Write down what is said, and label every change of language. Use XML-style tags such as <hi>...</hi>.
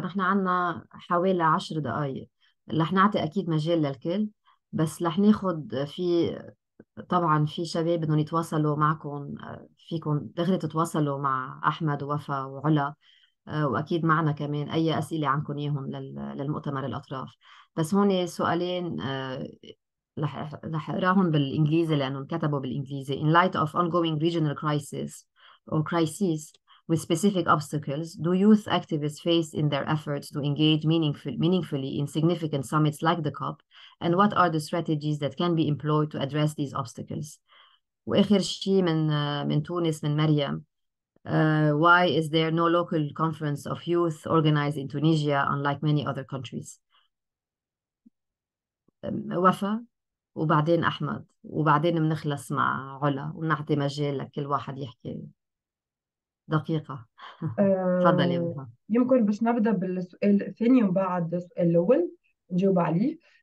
<ar>نحن عنا حوالي 10 دقايق، رح نعطي أكيد مجال للكل، بس رح ناخد طبعا في شباب بدهم يتواصلوا معكم، فيكم دغري تتواصلوا مع أحمد ووفا وعلا، وأكيد معنا كمان أي أسئلة عنكم إياهم للمؤتمر الأطراف. بس هون سؤالين رح أقراهم بالإنجليزي لأنهم كتبوا بالإنجليزي.</ar> <en>In light of ongoing regional crisis or crises with specific obstacles, do youth activists face in their efforts to engage meaningfully in significant summits like the COP? And what are the strategies that can be employed to address these obstacles?</en> <ar>وآخر شيء من تونس من مريم.</ar> <en>Why is there no local conference of youth organized in Tunisia unlike many other countries?</en> <ar>وفا وبعدين أحمد وبعدين بنخلص مع علا ونعطي مجال لكل واحد يحكي. دقيقة. تفضلي يا وفاء. يمكن بس نبدأ بالسؤال الثاني ومن بعد السؤال الأول نجاوب عليه.</ar>